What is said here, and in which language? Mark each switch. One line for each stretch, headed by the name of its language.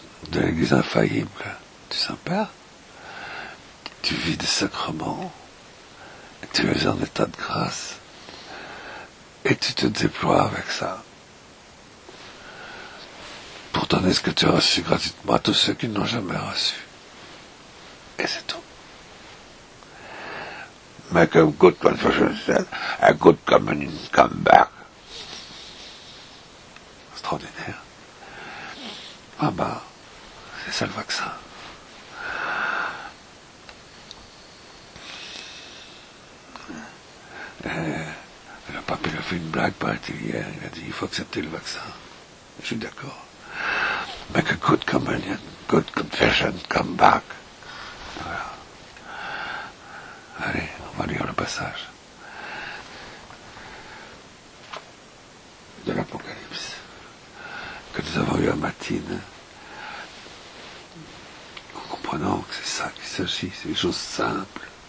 French: De l'Église infaillible du Saint-Père, tu vis des sacrements, tu es en état de grâce, et tu te déploies avec ça, pour donner ce que tu as reçu gratuitement à tous ceux qui ne l'ont jamais reçu. Et c'est tout.
English: Make a good confession, a good communion, come back.
French: Extraordinaire. Ah ben, c'est ça le vaccin. Le pape, il a fait une blague, paraît-il, hier. Il a dit, il faut accepter le vaccin. Je suis d'accord.
English: Make a good communion, good confession, come back.
French: Voilà. Allez, on va lire le passage. De l'Apocalypse. Que nous avons eu à Matine. En comprenant que c'est ça qu'il s'agit, c'est des choses simples.